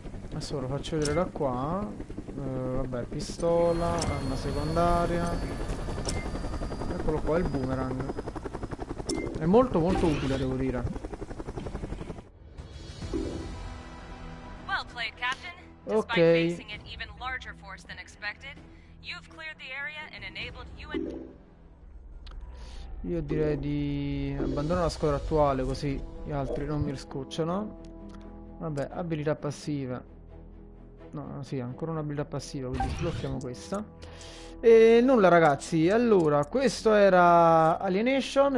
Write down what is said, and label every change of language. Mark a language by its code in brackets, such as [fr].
[it] Adesso lo faccio vedere da qua. Vabbè, pistola, arma secondaria. Eccolo qua, il boomerang. È molto utile, devo dire. [en] played, Captain. Despite facing an even larger force than expected, you've cleared the area and enabled you and... [it] Io direi di abbandonare la squadra attuale, così gli altri non mi riscocciano. Vabbè, abilità passiva. No, sì, ancora un'abilità passiva, quindi sblocchiamo questa. E nulla ragazzi, allora, questo era Alienation.